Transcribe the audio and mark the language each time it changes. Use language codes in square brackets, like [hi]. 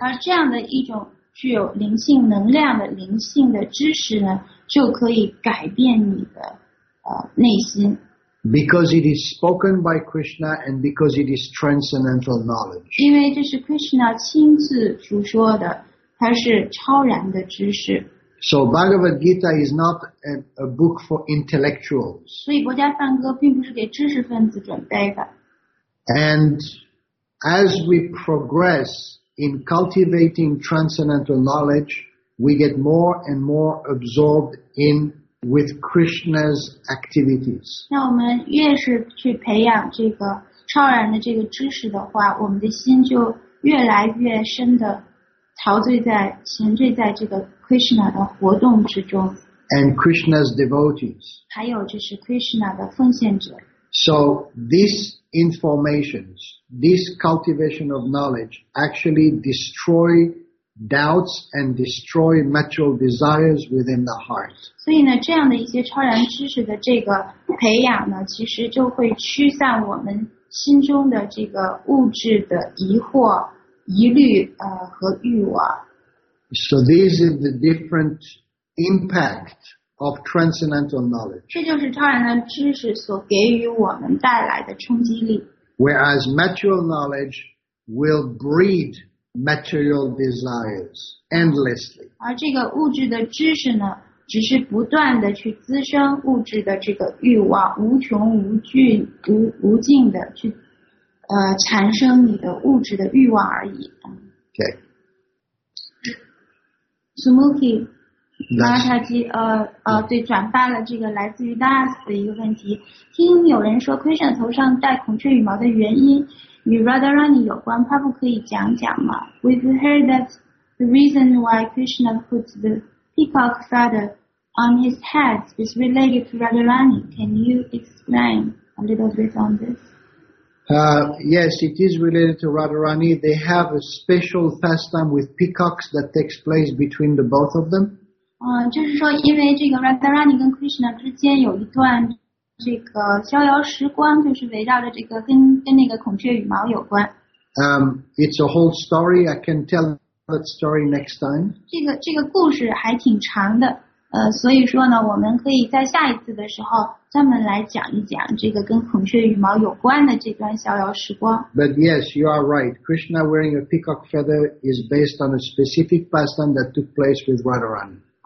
[zh] 而这样的一种具有灵性能量的灵性的知识呢，就可以改变你的内心。 [en] Because it is spoken by Krishna and because it is transcendental knowledge. [zh] 因为这是 Krishna 亲自述说的。它是超然的知识。 [en] So Bhagavad Gita is not a book for intellectuals. [zh] 所以《国家梵歌》并不是给知识分子准备的。 [en] And as we progress in cultivating transcendental knowledge, we get more and more absorbed in with Krishna's activities. [zh] 那我们越是去培养这个超然的这个知识的话，我们的心就越来越深的。陶醉在沉醉在这个 Krishna 的活动之中 [en] and Krishna's devotees [zh] 还有就是 Krishna 的奉献者 [en] so this information this cultivation of knowledge actually destroy doubts and destroy material desires within the heart [zh] 所以呢这样的一些超然知识的这个培养呢其实就会驱散我们心中的这个物质的疑惑疑虑和欲望。 [en] So this is the different impact of transcendental knowledge. [zh] 这就是超然的知识所给予我们带来的冲击力。 [en] Whereas material knowledge will breed material desires endlessly. [zh] 而这个物质的知识呢，只是不断的去滋生物质的这个欲望，无穷无尽、无尽的去。产生你的物质的欲望而已。 [en] Okay. [zh] Sumuki, 拉塔基对，转发了这个来自于 Das 的一个问题。听有人说 Krishna 头上戴孔雀羽毛的原因与 Radharani 有关，帕布可以讲讲吗 ？ [en] We've heard that the reason why Krishna puts the peacock feather on his head is related to Radharani. Can you explain a little bit on this? Yes, it is related to Radharani. They have a special pastime with peacocks that takes place between the both of them. [zh] 就是说因为这个 Radharani 跟 Krishna 之间有一段这个逍遥时光就是围绕着这个跟那个孔雀羽毛有关。 [en] It's a whole story. I can tell that story next time. [zh] 这个故事还挺长的。所以说呢，我们可以在下一次的时候专门来讲一讲这个跟孔雀羽毛有关的这段逍遥时光。 [en] But yes, you are right. Krishna wearing a peacock feather is based on a specific pastime that took place with Radharani.